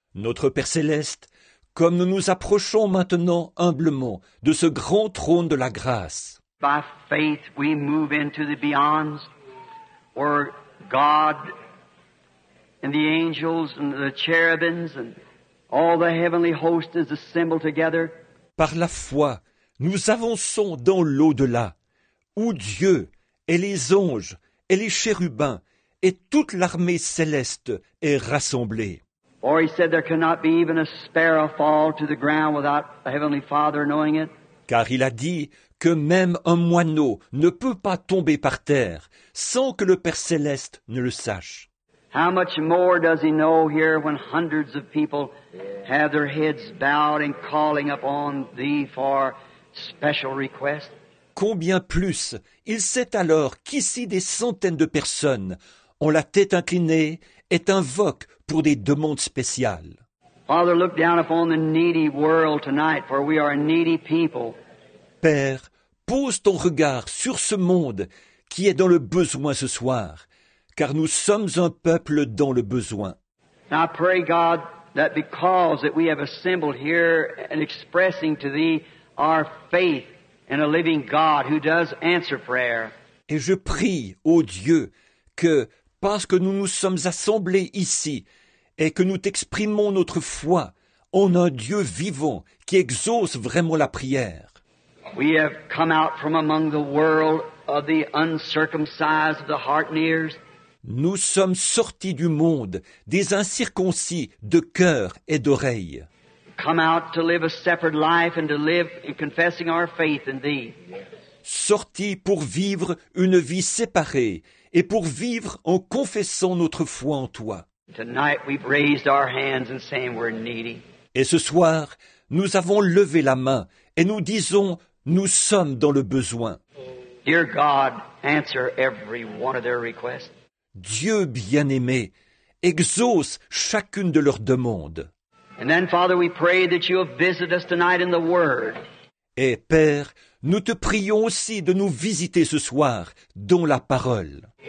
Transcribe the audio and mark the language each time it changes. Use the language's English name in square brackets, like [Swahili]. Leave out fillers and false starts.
[French] notre Père Céleste, comme nous nous approchons maintenant humblement de ce grand trône de la grâce, [English] by faith we move into the beyonds where God and the angels and the cherubims and all the heavenly host is assembled together. [French] Par la foi, nous avançons dans l'au-delà, où Dieu et les anges et les chérubins et toute l'armée céleste est rassemblée. [English] Or he said there cannot be even a sparrow fall to the ground without the heavenly Father knowing it. [French] Car il a dit que même un moineau ne peut pas tomber par terre sans que le Père céleste ne le sache. [English] How much more does he know here when hundreds of people have their heads bowed and calling upon thee for special requests? [French] Combien plus il sait alors qu'ici des centaines de personnes ont la tête inclinée et invoquent pour des demandes spéciales. [English] Father, look down upon the needy world tonight, for we are a needy people. [French] Père, pose ton regard sur ce monde qui est dans le besoin ce soir, car nous sommes un peuple dans le besoin. [English] Now I pray, God, that because that we have assembled here and expressing to thee our faith in a living God who does answer prayer. [French] Et je prie, ô Dieu, que parce que nous nous sommes assemblés ici et que nous t'exprimons notre foi en un Dieu vivant qui exauce vraiment la prière. [English] We have come out from among the world of the uncircumcised of the heart and ears. [French] Nous sommes sortis du monde des incirconcis de cœur et d'oreille. [English] Come out to live a separate life and to live in confessing our faith in thee. [French] Sortis pour vivre une vie séparée et pour vivre en confessant notre foi en toi. [English] Tonight we've raised our hands and saying we're needy. [French] Et ce soir, nous avons levé la main et nous disons, nous sommes dans le besoin. [English] Dear God, answer every one of their requests. [French] Dieu bien-aimé, exauce chacune de leurs demandes. [English] And then, Father, we pray that you will visit us tonight in the Word. [French] Et Père, nous te prions aussi de nous visiter ce soir dans la parole.